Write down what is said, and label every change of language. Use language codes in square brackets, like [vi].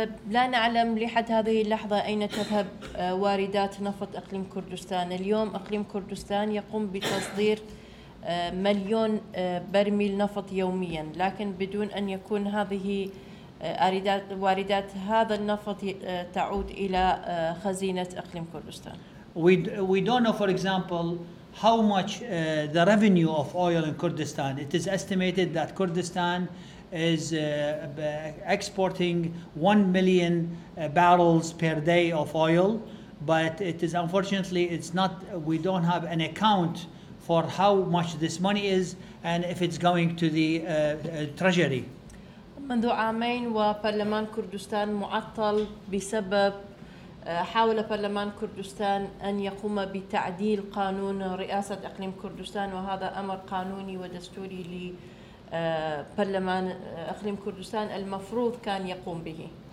[ar] لا نعلم لحد هذه اللحظة أين تذهب واردات نفط أقليم كردستان. اليوم أقليم كردستان يقوم بتصدير مليون برميل نفط يومياً، لكن بدون أن يكون هذه واردات هذا النفط تعود إلى خزينة أقليم كردستان. [en] We don't know, for example, how much the revenue of oil in Kurdistan. It is estimated that Kurdistan is exporting 1 million barrels per day of oil, but it is unfortunately, it's not, we don't have an account for how much this money is and if it's going to the treasury. [ar] منذ عامين وبرلمان كردستان معطل بسبب حاول برلمان كردستان أن يقوم بتعديل قانون رئاسة أقليم كردستان وهذا أمر قانوني ودستوري لبرلمان أقليم كردستان المفروض كان يقوم به.